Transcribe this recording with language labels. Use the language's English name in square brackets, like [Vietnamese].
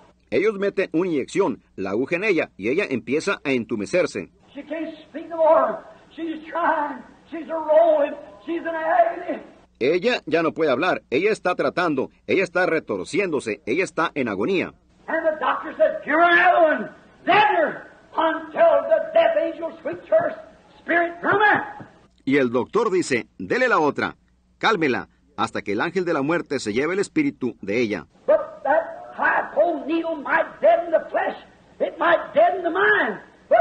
[Spanish] Ellos meten una inyección, la aguja en ella, y ella empieza a entumecerse. [English] She can't speak no more. She's trying. She's a rolling. She's in agony. [Spanish] Ella ya no puede hablar. Ella está tratando. Ella está retorciéndose. Ella está en agonía. [English] And the doctor said, "Cure another one. Deader until the death angel sweeps her spirit from her." [Spanish] Y el doctor dice, "Dele la otra. Cálmela hasta que el ángel de la muerte se lleve el espíritu de ella." [English] But that hypo needle might deaden the flesh. It might deaden the mind.